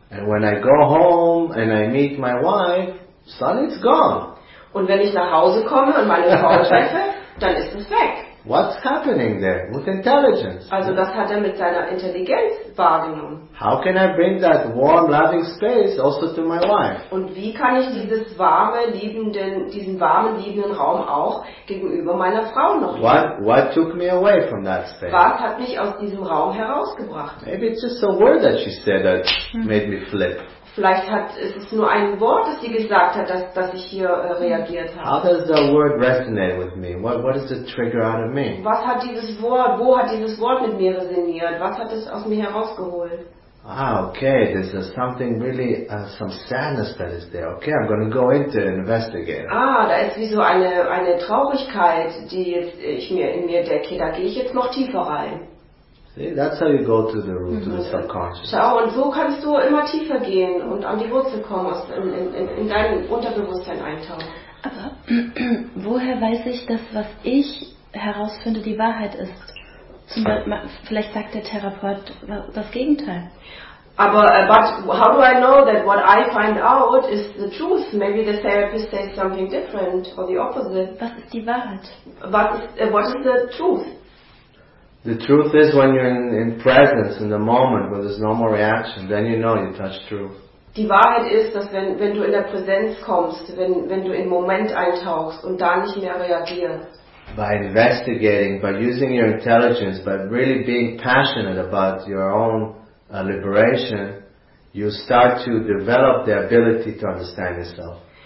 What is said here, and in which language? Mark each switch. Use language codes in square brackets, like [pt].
[en] And when I go home and I meet my wife, suddenly it's gone. [de] Und wenn ich nach Hause komme und meine Frau treffe, dann ist es weg. [en] What's happening there with intelligence? [de] Also das hat mit seiner Intelligenz wahrgenommen. [en] How can I bring that warm, loving space also to my wife? [de] Und wie kann ich diesen warmen, liebenden Raum auch gegenüber meiner Frau noch geben? [en] What took me away from that space? [de] Was hat mich aus diesem Raum herausgebracht? [en] Maybe it's just a word that she said that made me flip. [de] Vielleicht ist es nur ein Wort, das sie gesagt hat, dass ich hier reagiert habe. [en] How does the word resonate with me? What is the trigger out of me? [de] Was hat dieses Wort? Wo hat dieses Wort mit mir resoniert? Was hat es aus mir herausgeholt? [en] Ah, okay. This is something really, some sadness that is there. Okay, I'm going to go into it and investigate. [de] Ah, da ist wie so eine Traurigkeit, die jetzt ich mir in mir decke. Da gehe ich jetzt noch tiefer rein. [en] See, that's how you go to the root, to the subconscious. [de] Schau, und so kannst du immer tiefer gehen und an die Wurzel kommen, in dein Unterbewusstsein eintauchen. Aber woher weiß ich, dass was ich herausfinde, die Wahrheit ist? Vielleicht sagt der Therapeut das Gegenteil. Aber [en] but how do I know that what I find out is the truth? Maybe the therapist says something different or the opposite. [de] Was ist die Wahrheit? [en] What is the truth? The truth is when you're in presence, in the moment, where there's no more reaction, then you know you touch truth. [de] Die Wahrheit ist, dass wenn du in der Präsenz kommst, wenn du im Moment eintauchst und da nicht mehr reagierst. [en] By investigating, by using your intelligence, by really being passionate about your own liberation, you start to develop the ability to understand yourself.